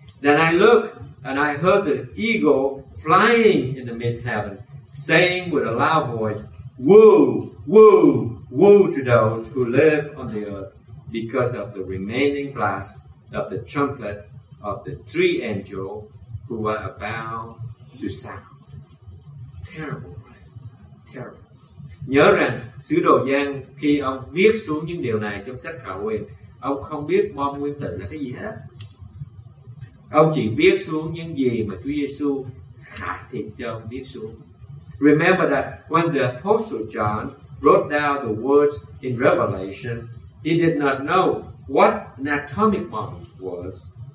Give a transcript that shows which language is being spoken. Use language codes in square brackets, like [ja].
[en] Then I looked, and I heard the eagle flying in the mid heaven, saying with a loud voice, "Woe, woe, woe to those who live on the earth because of the remaining blast of the trumpet of the three angels who are about to sound." Terrible, right? Terrible. [vi] Nhớ rằng sứ đồ Giang khi ông viết xuống những điều này trong sách Khảo Nguyên, ông không biết bom nguyên tử là cái gì hết. Ông chỉ viết xuống những gì mà Chúa Giêsu khải thị cho ông viết xuống. [en] Remember that when the Apostle John wrote down the words in Revelation, he did not know what an atomic bomb was.